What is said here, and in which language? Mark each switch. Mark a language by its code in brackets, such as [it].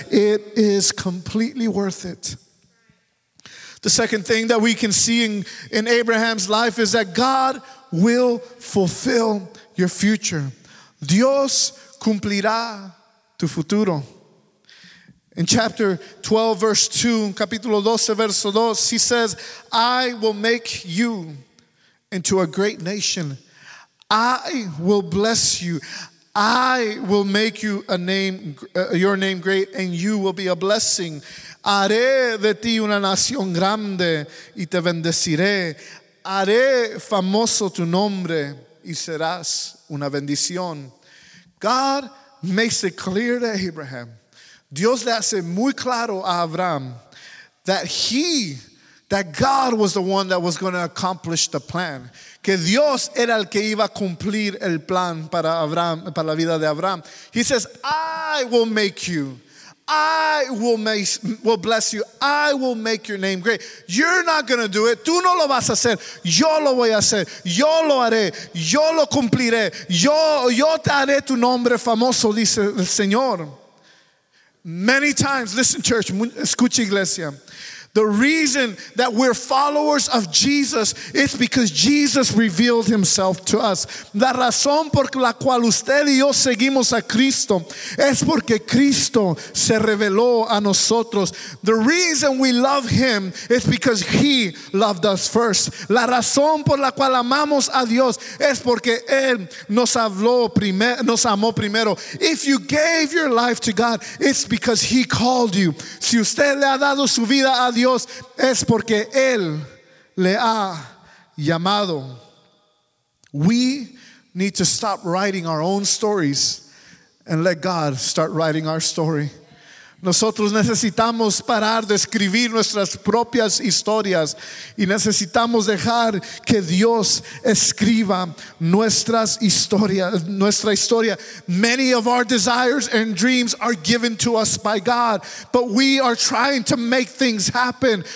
[en] It is completely worth it. The second thing that we can see in Abraham's life is that God will fulfill your future. [es] Dios cumplirá tu futuro. [en] In chapter 12, verse 2, [es] capítulo 12, verso 2, [en] he says, I will make you into a great nation. I will bless you. I will make you a name, your name great, and you will be a blessing. [es] Haré de ti una nación grande y te bendeciré. Haré famoso tu nombre y serás una bendición. [en] God makes it clear to Abraham. [es] Dios le hace muy claro a Abraham [en] that God was the one that was going to accomplish the plan. [es] Que Dios era el que iba a cumplir el plan para Abraham, para la vida de Abraham. [en] He says, I will make you. I will bless you. I will make your name great. You're not going to do it. [es] Tú no lo vas a hacer. Yo lo voy a hacer. Yo lo haré. Yo lo cumpliré. Yo te haré tu nombre famoso, dice el Señor. [en] Many times, listen, church, [es] escucha, iglesia. [en] The reason that we're followers of Jesus is because Jesus revealed himself to us. [es] La razón por la cual usted y yo seguimos a Cristo es porque Cristo se reveló a nosotros. [en] The reason we love him is because he loved us first. [es] La razón por la cual amamos a Dios es porque él nos habló primero, nos amó primero. [en] If you gave your life to God, it's because he called you. [es] Si usted le ha dado su vida a Dios, es porque él le ha llamado. [en] We need to stop writing our own stories and let God start writing our story. [es] Nosotros necesitamos parar de escribir nuestras propias historias y necesitamos dejar que Dios escriba nuestras historias, nuestra historia. [en] Many of our desires and dreams are given to us by God, but we are trying to make things happen.